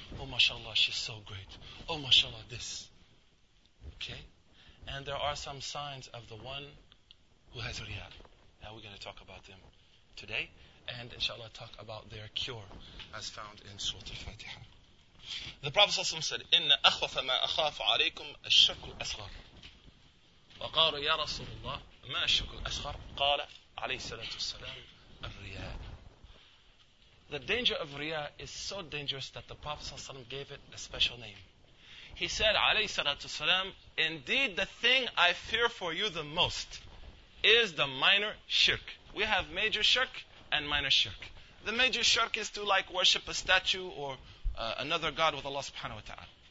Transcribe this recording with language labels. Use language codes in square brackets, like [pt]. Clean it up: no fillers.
[en] Oh, mashallah, she's so great. Oh, mashallah, this. Okay? And there are some signs of the one who has riya. Now we're going to talk about them today. And inshallah talk about their cure as found in Surah Al-Fatiha. The Prophet ﷺ said, [ar] إِنَّ أَخْوَفَ مَا أَخَافُ عَلَيْكُمْ الشِّرْكُ الْأَصْغَرُ وَقَالُوا يَا رَسُولُ اللَّهِ مَا الشِّرْكُ الْأَصْغَرُ قَالَ عَلَيْهِ سَلَاتُ السَّلَامُ الرِّيَاء. [en] The danger of riya is so dangerous that the Prophet ﷺ gave it a special name. He said, [ar] عَلَيْهِ سَلَاتُ السَّلَامُ, [en] indeed the thing I fear for you the most is the minor shirk. We have major shirk and minor shirk. The major shirk is to like worship a statue or another god with Allah subhanahu wa ta'ala.